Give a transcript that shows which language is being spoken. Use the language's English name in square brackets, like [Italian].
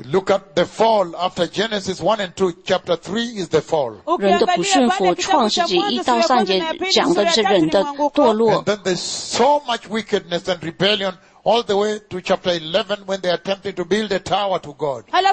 [English] Look at the fall after Genesis 1 and 2, chapter 3 is the fall. [Chinese] 人的不顺服，创世纪一到三节讲的是人的堕落。 [English] And then there's so much wickedness and rebellion all the way to chapter 11 when they attempted to build a tower to God.